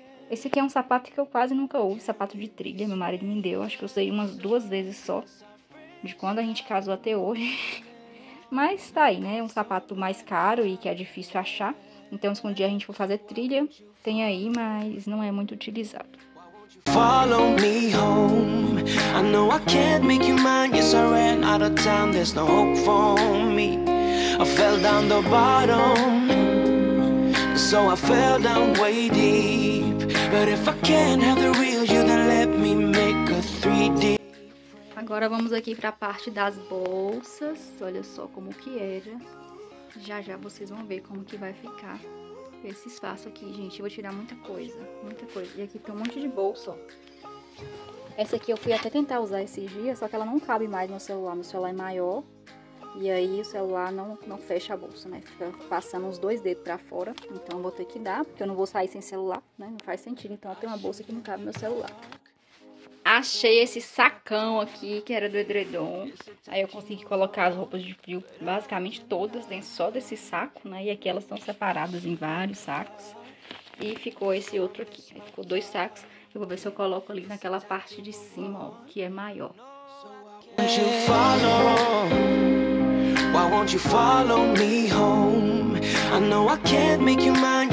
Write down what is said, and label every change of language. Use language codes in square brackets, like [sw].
[pt] Esse aqui é um sapato que eu quase nunca uso, sapato de trilha, meu marido me deu, acho que eu usei umas 2 vezes só, de quando a gente casou até hoje. Mas tá aí, né, um sapato mais caro e que é difícil achar, então se um dia a gente for fazer trilha, tem aí, mas não é muito utilizado. [en] Follow me home. I know I can't make you mine. Yes, I ran out of time. There's no hope for me. I fell down the bottom, so I fell down way deep. But if I can't have the real you, then let me make a 3D. [pt] Agora vamos aqui pra parte das bolsas. Olha só como que era. Já vocês vão ver como que vai ficar esse espaço aqui, gente. Eu vou tirar muita coisa, muita coisa. E aqui tem um monte de bolsa, ó. Essa aqui eu fui até tentar usar esses dias, só que ela não cabe mais no celular. Meu celular é maior. E aí o celular não fecha a bolsa, né? Fica passando os dois dedos pra fora. Então eu vou ter que dar, porque eu não vou sair sem celular, né? Não faz sentido. Então eu tenho uma bolsa que não cabe no meu celular. Achei esse sacão aqui, que era do edredom. Aí eu consegui colocar as roupas de frio, basicamente todas, dentro só desse saco, né? E aqui elas estão separadas em vários sacos. E ficou esse outro aqui. Aí ficou dois sacos. Eu vou ver se eu coloco ali naquela parte de cima, ó, que é maior. [en] Why won't you follow me home? I know I can't make you mine.